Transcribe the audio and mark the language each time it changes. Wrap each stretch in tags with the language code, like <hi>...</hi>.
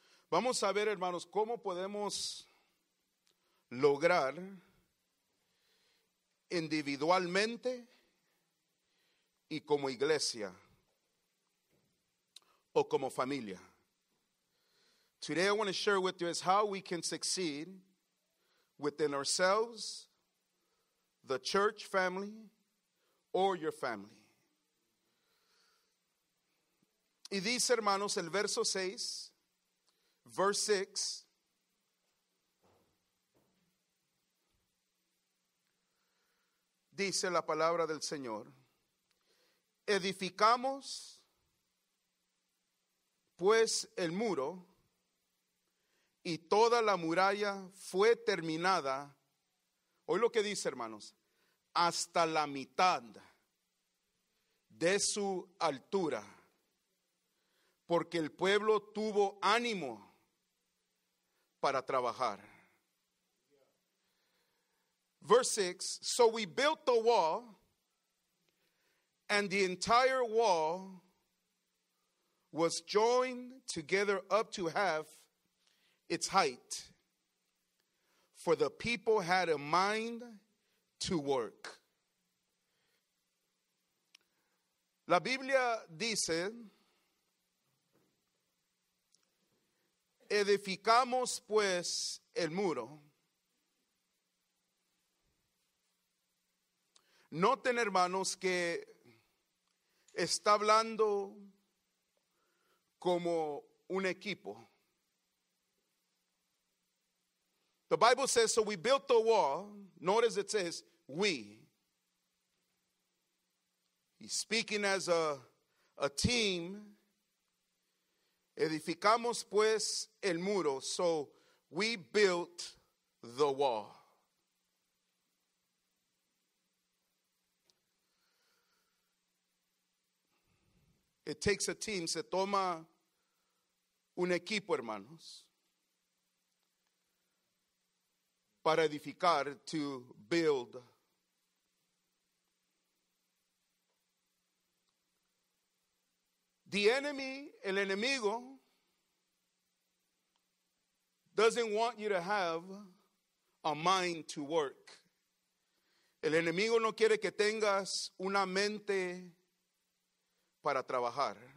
<es>Vamos a ver, hermanos, cómo podemos lograr individualmente y como iglesia o como familia.</es> <en>Today I want to share with you is how we can succeed within ourselves, the church family, or your family.</en> <es>Y dice, hermanos, el verso 6,</es> <en>verse 6,</en> <es>dice la palabra del Señor, edificamos pues el muro, y toda la muralla fue terminada. Oye lo que dice, hermanos, hasta la mitad de su altura, porque el pueblo tuvo ánimo para trabajar.</es> <en>Verse 6, so we built the wall, and the entire wall was joined together up to half its height, for the people had a mind to work.</en> <es>La Biblia dice, edificamos pues el muro. Noten, hermanos, que está hablando como un equipo.</es> <en>The Bible says, so we built the wall. Notice it says, we. He's speaking as a team.</en> <es>Edificamos pues el muro.</es> <en>So we built the wall. It takes a team.</en> <es>Se toma un equipo, hermanos, para edificar,</es> <en>to build. The enemy,</en> <es>el enemigo,</es> <en>doesn't want you to have a mind to work.</en> <es>El enemigo no quiere que tengas una mente para trabajar.</es>